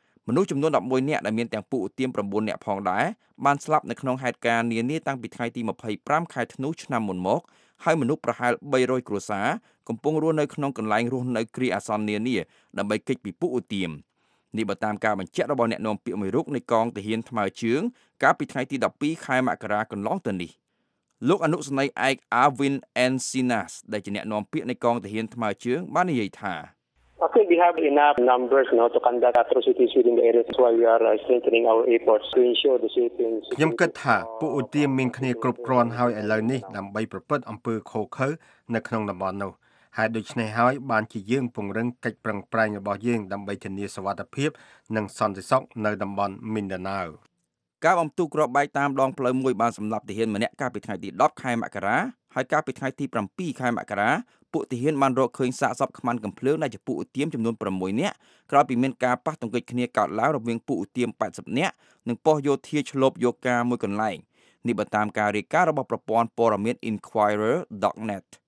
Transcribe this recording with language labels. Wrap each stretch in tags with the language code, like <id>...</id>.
<km>មនុស្សចំនួន11នាក់ដែលមានទាំងពួកឧទាម9នាក់ផងដែរបានស្លាប់នៅក្នុងហេតុការណ៍នានាតាំងពីថ្ងៃទី25ខែធ្នូឆ្នាំមុនមកហើយមនុស្សប្រហែល300គ្រួសារកំពុងរស់នៅក្នុងកន្លែងរស់នៅគ្រាអាសន្ននានាដើម្បីគេចពីពួកឧទាមនេះបើតាមការបញ្ជាក់របស់អ្នកនាំពាក្យមួយរូបនៃកងទាហានថ្មើរជើងកាលពីថ្ងៃទី12ខែមករាកន្លងទៅនេះលោកអនុសេនីយ៍ឯក Avin Ensinas ដែលជាអ្នកនាំពាក្យនៃកងទាហានថ្មើរជើងបាននិយាយថា</km> <en>Okay, we have enough numbers now to conduct atrocities within the area. That's why we are strengthening our efforts to ensure the safety.</en> <km>ខ្ញុំគិតថាពួកឧទាមមានគ្នាគ្រប់គ្រាន់ហើយឥឡូវនេះដើម្បីប្រព្រឹត្តអំពើខុសខើនៅក្នុងតំបន់នោះហើយដូច្នេះហើយបានជាយើងពង្រឹងកិច្ចប្រឹងប្រែងរបស់យើងដើម្បីធានាសវត្ថិភាពនិងសន្តិសុខនៅតំបន់មីនដាណាវ ការបំទុះគ្រាប់បែកតាមដងផ្លូវមួយបានសម្លាប់ទាហានម្នាក់កាលពីថ្ងៃទី10ខែមករាហើយកាលពីថ្ងៃទី7ខែមករាពួកទាហានបានរកឃើញសាកសពខ្មាន់កំភ្លើងនៃពួកឧទាមចំនួន6នាក់ក្រោយពីមានការប៉ះទង្គិចគ្នាកើតឡើងរវាងពួកឧទាម80នាក់និងប៉ុស្តិ៍យោធាឈ្លបយកការមួយកន្លែងនេះបើតាមការរាយការណ៍របស់ប្រព័ន្ធព័ត៌មាន inquirer.net</km>